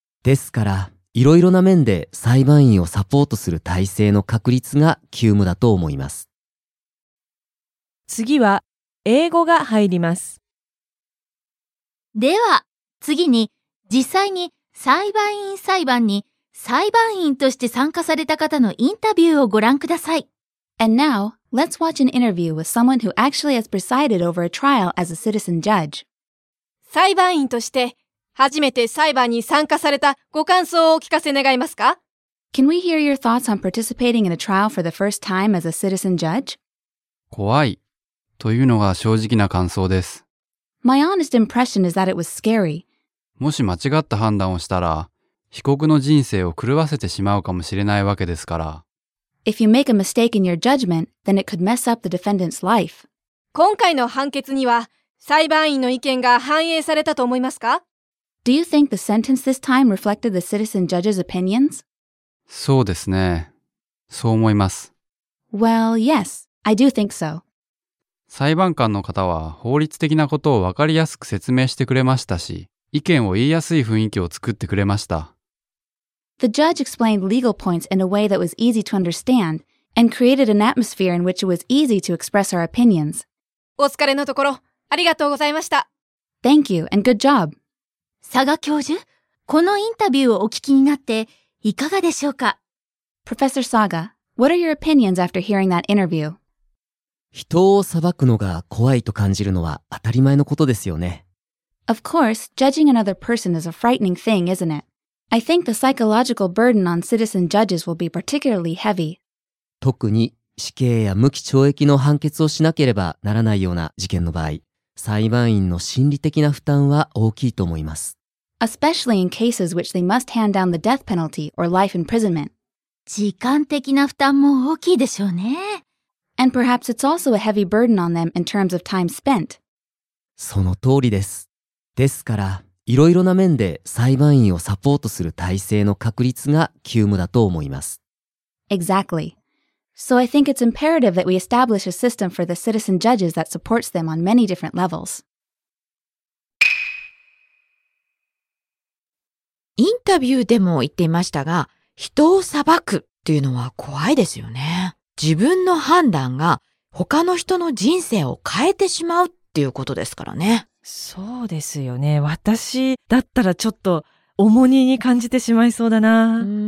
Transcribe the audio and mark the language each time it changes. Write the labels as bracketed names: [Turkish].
[Japanese] ですから、いろいろな面で裁判員をサポートする体制の確立が急務だと思います。次は、英語が入ります。では、次に、実際に裁判員裁判に裁判員として参加された方のインタビューをご覧ください。 [English] And now, let's watch an interview with someone who actually has presided over a trial as a citizen judge. [Japanese] 裁判員として、初めて裁判に参加されたご感想をお聞かせ願いますか？ [English] Can we hear your thoughts on participating in a trial for the first time as a citizen judge? [Japanese] 怖いというのが正直な感想です。 [English] My honest impression is that it was scary. [Japanese] もし間違った判断をしたら、被告の人生を狂わせてしまうかもしれないわけですから。 [English] If you make a mistake in your judgment, then it could mess up the defendant's life. [Japanese] 今回の判決には裁判員の意見が反映されたと思いますか？ [English] Do you think the sentence this time reflected the citizen judge's opinions? [Japanese] そうですね。そう思います。 [English] Well, yes, I do think so. [Japanese] 裁判官の方は法律的なことを分かりやすく説明してくれましたし、意見を言いやすい雰囲気を作ってくれました。 [English] The judge explained legal points in a way that was easy to understand and created an atmosphere in which it was easy to express our opinions. [Japanese] お疲れのところ、ありがとうございました。 [English] Thank you and good job. [Japanese] 佐賀教授、このインタビューをお聞きになっていかがでしょうか? [English] Professor Saga, what are your opinions after hearing that interview? [Japanese] 人を裁くのが怖いと感じるのは当たり前のことですよね。 [English] Of course, judging another person is a frightening thing, isn't it? I think the psychological burden on citizen judges will be particularly heavy. [Japanese] 特に死刑や無期懲役の判決をしなければならないような事件の場合、裁判員の心理的な負担は大きいと思います。 [English] Especially in cases which they must hand down the death penalty or life imprisonment. [Japanese] 時間的な負担も大きいでしょうね。 [English] And perhaps it's also a heavy burden on them in terms of time spent. [Japanese] その通りです。ですから、いろいろな面で裁判員をサポートする体制の確立が急務だと思います。 [English] Exactly. So I think it's imperative that we establish a system for the citizen judges that supports them on many different levels. [Japanese] インタビューでも言っていましたが、人を裁くというのは怖いですよね。自分の判断が他の人の人生を変えてしまうっていうことですからね。そうですよね。私だったらちょっと重荷に感じてしまいそうだな。